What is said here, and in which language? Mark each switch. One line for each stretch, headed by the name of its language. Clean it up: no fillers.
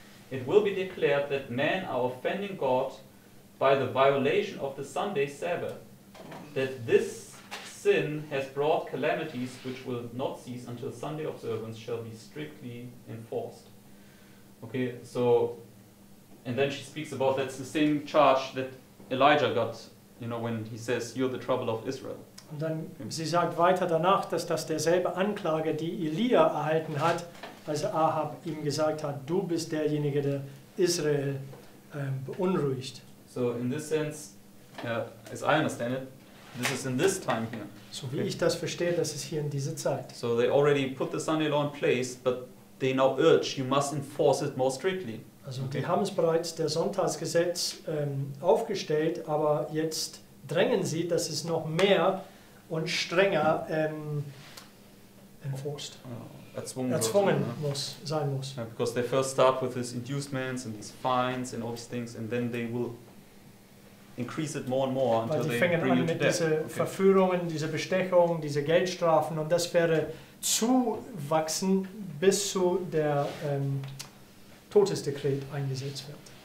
English: It will be declared that men are offending God by the violation of the Sunday Sabbath, that this sin has brought calamities which will not cease until Sunday observance shall be strictly enforced. Okay, so, and then she speaks about that's the same charge that Elijah got, you know, when he says, you're the trouble of Israel.
German: Und dann, sie sagt weiter danach, dass das derselbe Anklage, die Elia erhalten hat, als Ahab ihm gesagt hat, du bist derjenige, der Israel beunruhigt.
English: So, in this sense, as I understand it, this is in this time here.
German: So wie ich das verstehe, das ist hier in dieser Zeit.
English: So they already put the Sunday law in place, but they now urge you must enforce it more strictly.
German: Also okay. Die haben es bereits der Sonntagsgesetz aufgestellt, aber jetzt drängen sie, dass es noch mehr und strenger enforced. Erzwungen wird, muss sein muss.
English: Yeah, because they first start with these inducements and these fines and all these things, and then they will increase it more and more until they bring you to death.
German: Weil die fangen an mit diesen Verführungen, diese Bestechungen, diese Geldstrafen, und das wäre zuwachsen, bis zu der Todesdekret eingesetzt wird.